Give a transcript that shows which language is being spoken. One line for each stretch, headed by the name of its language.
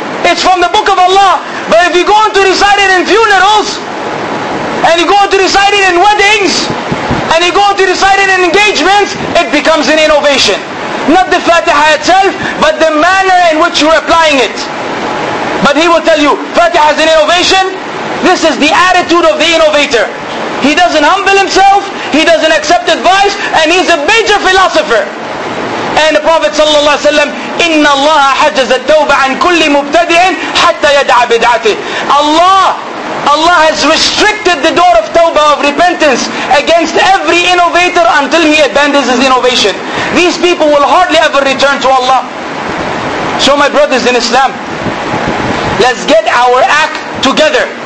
English: It's from the book of Allah. But if you go on to recite it in funerals, and you go on to recite it in weddings, and you go on to recite it in engagements, it becomes an innovation. Not the Fatiha itself, but the manner in which you're applying it. But he will tell you, Fatiha is an innovation. This is the attitude of the innovator. He doesn't humble himself, he doesn't accept advice, and he's a major philosopher. And the Prophet ﷺ,
Arabic: إِنَّ اللَّهَ حَجَّزَ التَّوْبَ عَنْ كُلِّ مُبْتَدِعٍ حَتَّى يَدْعَ بِدْعَتِهِ.
English: Allah has restricted the door of tawbah, of repentance, against every innovator until he abandons his innovation. These people will hardly ever return to Allah. So my brothers in Islam, let's get our act together.